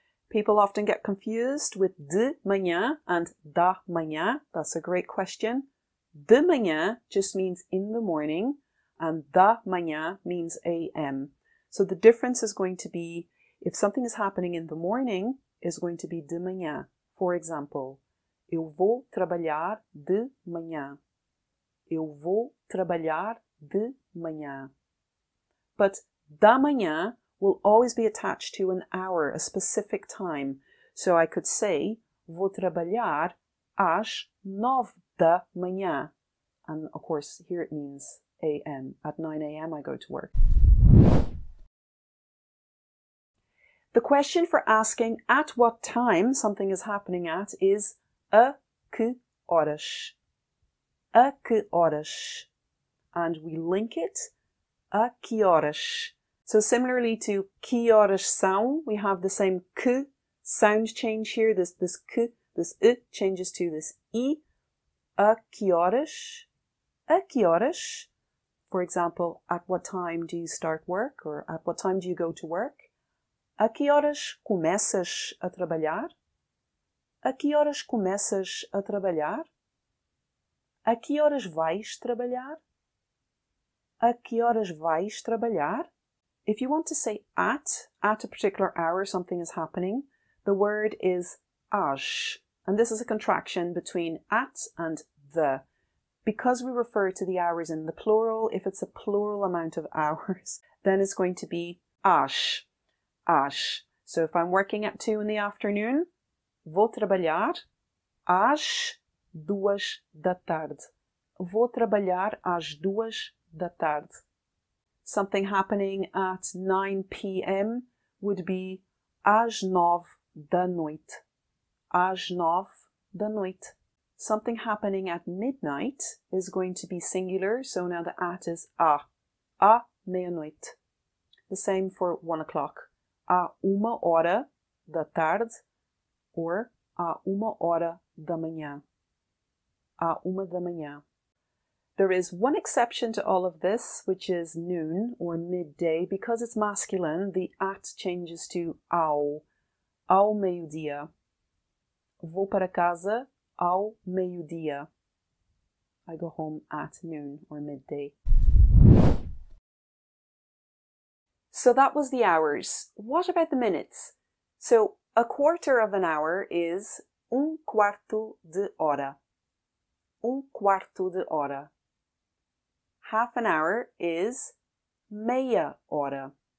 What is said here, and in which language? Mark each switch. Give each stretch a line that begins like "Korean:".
English: People often get confused with de manhã and da manhã. That's a great question. De manhã just means in the morning, and da manhã means AM. So the difference is going to be, if something is happening in the morning, is going to be de manhã. For example,
Portuguese: eu vou trabalhar de manhã. Eu vou trabalhar de manhã.
English: But da manhã will always be attached to an hour, a specific time. So I could say,
Portuguese: vou trabalhar às 9 da manhã.
English: And of course, here it means AM. At 9 a.m. I go to work. The question for asking at what time something is happening at is a que horas?
Portuguese: A que horas?
English: And we link it
Portuguese: a que horas.
English: So similarly to que horas são, we have the same que sound change here. This que, this e changes to this e.
Portuguese: A que horas? A que horas?
English: For example, at what time do you start work, or at what time do you go to work?
Portuguese: A que horas começas a trabalhar? A que horas começas a trabalhar? A que horas vais trabalhar? A que horas vais trabalhar?
English: If you want to say at a particular hour something is happening, the word is às. And this is a contraction between at and the. Because we refer to the hours in the plural, if it's a plural amount of hours, then it's going to be ash, ash. So if I'm working at 2 in the afternoon,
Portuguese: vou trabalhar às 2 da tarde. Vou trabalhar às 2 da tarde.
English: Something happening at 9 p.m. would be
Portuguese: às 9 da noite. Às 9 da noite.
English: Something happening at midnight is going to be singular, so now the at is à.
Portuguese: À meia-noite.
English: The same for 1 o'clock.
Portuguese: À uma hora da tarde or à uma hora da manhã. À uma da manhã.
English: There is one exception to all of this, which is noon or midday. Because it's masculine, the at changes to ao.
Portuguese: Ao meio-dia. Vou para casa ao meio-dia.
English: I go home at noon or midday. So that was the hours. What about the minutes? So a quarter of an hour is quarto de hora.
Portuguese: Quarto de hora.
English: Half an hour is
Portuguese: meia hora.